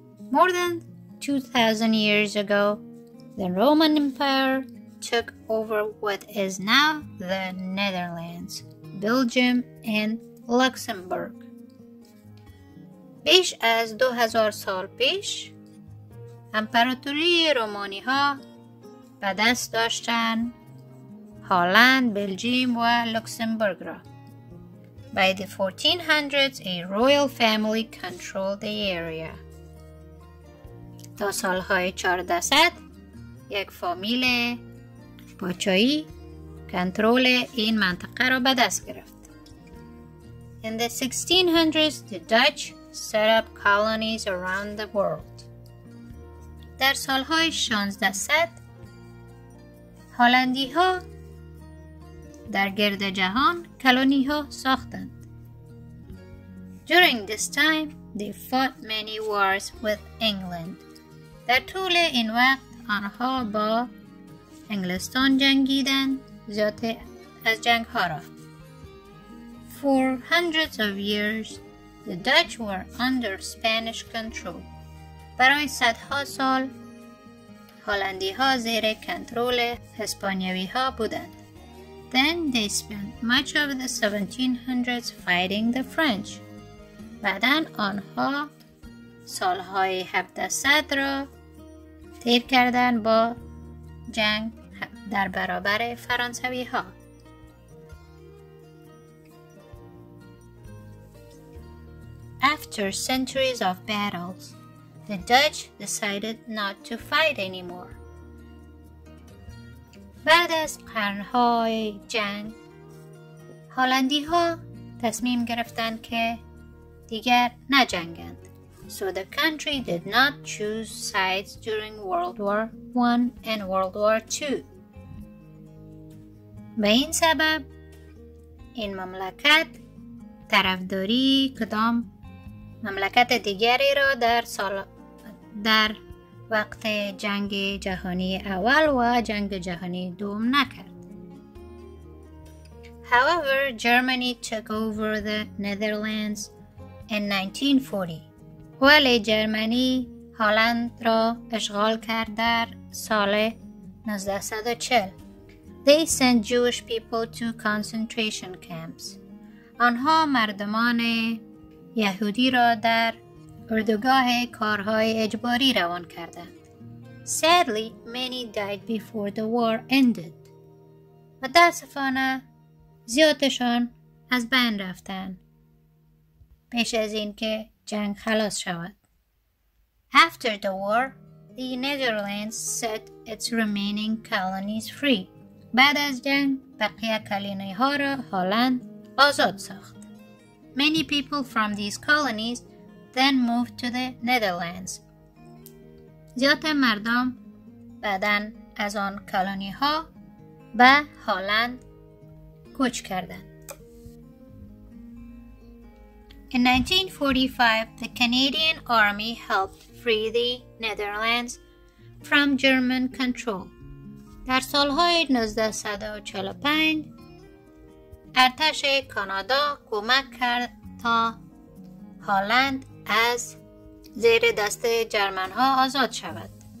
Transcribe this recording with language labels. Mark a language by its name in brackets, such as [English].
[English] More than 2000 years ago, the Roman Empire took over what is now the Netherlands, Belgium and Luxembourg. [Persian] بیش از 2000 سال پیش امپراتوری رومانی ها به دست داشتن هلند، بلژیم و لوکسمبورگ را. [English] By the 1400s, a royal family controlled the area. [Persian] تا سالهای 1400 یک فامیل پادشاهی کنترل این منطقه را به دست گرفت. [English] In the 1600s, the Dutch set up colonies around the world. [Persian] در سالهای 1600 هلندی ها در گرد جهان کلونی ها ساختند. [English] During this time, they fought many wars with England. [Persian] در طول این وقت آنها با انگلستان جنگیدند زیاد از جنگ ها را. [English] For hundreds of years, the Dutch were under Spanish control. [Persian] برای صدها سال هلندی ها زیر کنترل اسپانیوی ها بودند. [English] Then they spent much of the 1700s fighting the French. [Persian] بعدن آنها سالهای 1700 را تیر کردن با جنگ در برابر فرانسوی ها. [English] After centuries of battles, the Dutch decided not to fight anymore. [Persian] بعد از قرنهای جنگ هلندی ها تصمیم گرفتن که دیگر نجنگند. [English] So the country did not choose sides during World War I and World War II. [Persian] به این سبب این مملکت طرفداری کدام مملکت دیگری را در سال در وقت جنگ جهانی اول و جنگ جهانی دوم نکرد. [English] However, Germany took over the Netherlands in 1940. [Persian] ولی جرمنی هالند را اشغال کرد در سال 1940. [English] They sent Jewish people to concentration camps. [Persian] آنها مردمان یهودی را در اردوگاه کارهای اجباری روان کردند. [English] Sadly, many died before the war ended. [Persian] متاسفانه زیادشان از بین رفتند پیش از اینکه جنگ خلاص شود. [English] After the war, the Netherlands set its remaining colonies free. [Persian] بعد از جنگ بقیه کلونی ها را هالند آزاد ساخت. [English] Many people from these colonies then moved to the Netherlands. [Persian] زیاد مردم بعدن از آن کلونی ها به هالند کوچ کردند. [English] In 1945, the Canadian Army helped free the Netherlands from German control. [Persian] در سالهای 1945 ارتش کانادا کمک کرد تا هالند از زیر دست جرمن ها آزاد شود.